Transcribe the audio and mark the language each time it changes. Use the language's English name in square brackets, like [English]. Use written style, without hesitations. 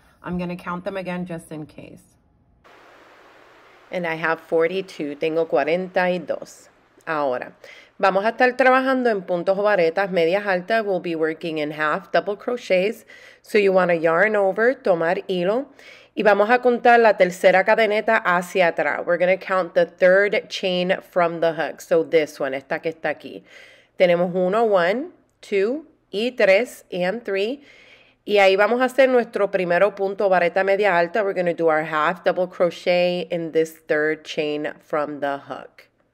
[English] I'm going to count them again just in case. And I have 42. [Spanish] Tengo 42. Ahora, vamos a estar trabajando en puntos o varetas medias altas. [English] We'll be working in half double crochets. So you want to yarn over, [Spanish] tomar hilo. Y vamos a contar la tercera cadeneta hacia atrás. [English] We're going to count the third chain from the hook. So this one, [Spanish] esta que está aquí. Tenemos uno, [English] one, two, [Spanish] y tres, [English] and three. [Spanish] Y ahí vamos a hacer nuestro primero punto vareta media alta. [English] We're going to do our half double crochet in this third chain from the hook.